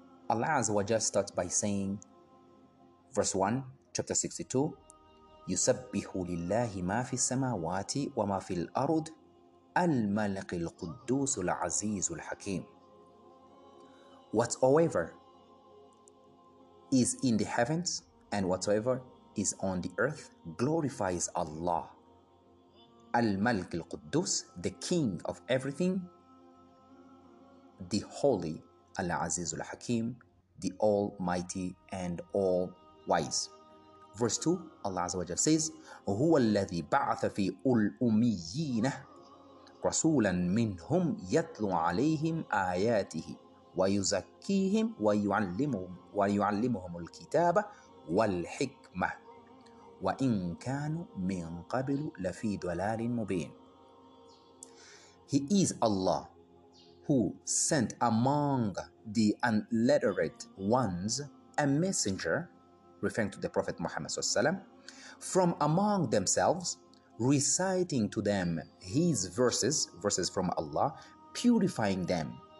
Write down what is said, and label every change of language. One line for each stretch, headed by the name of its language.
English: Allah Azza wa Jalla starts by saying, verse 1, chapter 62,
Arabic: يُسَبِّحُ لِلَّهِ مَا فِي السَّمَاوَاتِ وَمَا فِي الْأَرُضِ الْمَلَكِ الْقُدُّوسُ الْعَزِيزُ الْحَكِيمُ.
English: Whatsoever is in the heavens and whatsoever is on the earth glorifies Allah.
Arabic: الْمَلَكِ الْقُدُّوسُ,
English: the King of everything, the Holy,
Arabic: الْعَزِيزُ الْحَكِيمُ,
English: the Almighty and All Wise. Verse 2, Allah Azza wa Jalla says,
Arabic: هُوَ الَّذِي بَعْثَ فِي أُلْأُمِيِّينَ رَسُولًا مِّنْهُمْ يَتْلُوا عَلَيْهِمْ آيَاتِهِ وَيُزَكِّيهِمْ وَيُعَلِّمُهُمُ الْكِتَابَ وَالْحِكْمَةَ وَإِنْ كَانُوا مِنْ قَبْلُ لَفِي ضَلَالٍ مُبِينٍ.
English: He is Allah who sent among the unlettered ones a messenger, referring to the Prophet Muhammad sallam, from among themselves, reciting to them his verses, verses from Allah, purifying them,